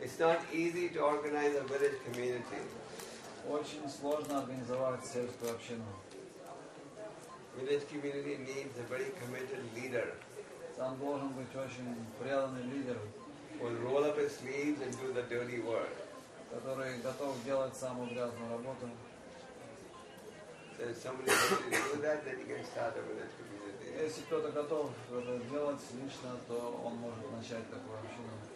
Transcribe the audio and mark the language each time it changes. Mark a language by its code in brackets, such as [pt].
[en] It's not easy to organize a village community. [ru] Очень сложно организовать сельскую общину. [en] Village community needs a very committed leader. [ru] Там должен быть очень преданный лидер. [en] Who will roll up his sleeves and do the dirty work. [ru] Который готов делать самую грязную работу. [en] There's somebody who can do that, then you can start a village community. [ru] Если кто-то готов это делать лично, то он может начать такую общину.